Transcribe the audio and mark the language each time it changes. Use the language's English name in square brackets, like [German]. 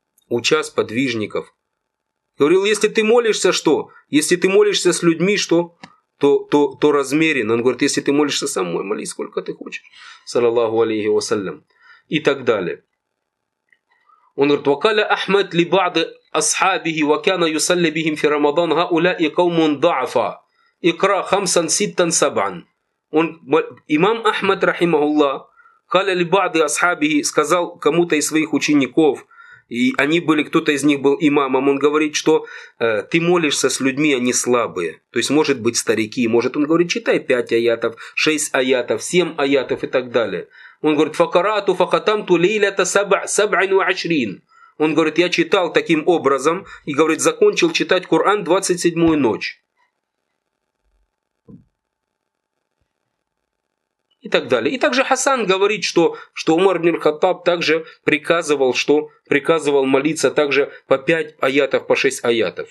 [Russian] Уча подвижников. Говорил, если ты молишься, что? Если ты молишься с людьми, что? То размерен. Он говорит, если ты молишься сам, молись сколько ты хочешь. Саллаллаху алейхи ва саллям. И так далее. Он говорит, [Arabic] «вакаля ахмад ли бады». أصحابه وكان يصلي بهم في رمضان هؤلاء قوم ضعفاء اقرأ خمسا ستا سبعا. [Russian] Имам Ахмад рахимахулла [Arabic] قال لبعض أصحابه, [Russian] сказал кому-то из своих учеников, и они были, кто-то из них был имамом, он говорит, что ты молишься с людьми, они слабые, то есть может быть старики, может, он говорит, читай 5 аятов, 6 аятов, 7 аятов и так далее. Он говорит, [Arabic] فقرأت فختمت ليلة سبع وعشرين. [Russian] Он говорит, я читал таким образом, и говорит, закончил читать Коран 27-ю ночь. и так далее. И также Хасан говорит, что, что Умар ибн аль-Хаттаб также приказывал, что приказывал молиться также по 5 аятов, по 6 аятов.